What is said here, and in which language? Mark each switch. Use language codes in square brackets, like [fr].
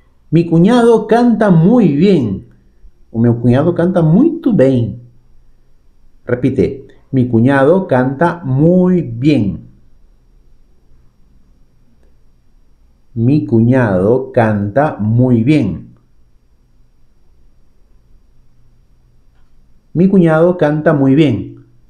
[es] Mi cuñado canta muy bien. [pt] O meu cunhado canta muito bem. [es] Repite. Mi cuñado canta muy bien. Mi cuñado canta muy bien. Mi cuñado canta muy bien.